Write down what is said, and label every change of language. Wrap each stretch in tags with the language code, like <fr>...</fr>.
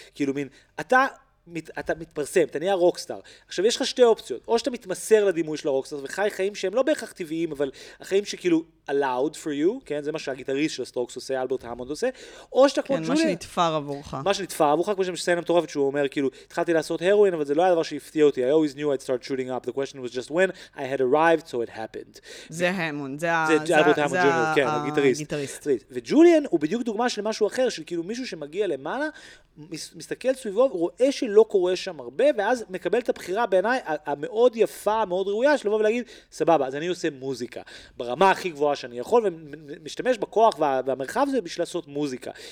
<he>כאילו, מין, אתה מתפרסם, אתה נהיה רוקסטאר. עכשיו, יש לך שתי אופציות. או שאתה מתמסר לדימוי של הרוקסטאר, וחי חיים שהם לא בהכרח טבעיים, אבל החיים שכאילו</he> <en>allowed for you,</en> <he>כן? זה מה שהגיטריסט של הסטרוקס עושה, אלברט המונד עושה. או שאתה כמו ג'וליאן. מה שנתפר עבורך. מה שנתפר עבורך, כמו שסיינם תורפת, שהוא אומר, כאילו, התחלתי לעשות הרואין, אבל זה לא היה דבר שהפתיע אותי.</he> <en>I always knew I'd start shooting up. The question was just when I had arrived, so it happened.</en> <he>זה המונד, זה אלברט המונד, ג'וליאן, כן, הגיטריסט. וג'וליאן הוא בדיוק דוגמה של משהו אחר, של כאילו מישהו שמגיע למעלה, מסתכל סביבו, רואה שלא קורה שם הרבה, ואז מקבל את הבחירה בעיניי המאוד יפה, המאוד ראויה, שלבוא ולהגיד, סבבה, אז אני עושה מוזיקה, ברמה הכי גבוהה שאני יכול, ומשתמש בכוח והמרחב זה בשביל לעשות מוזיקה.</he>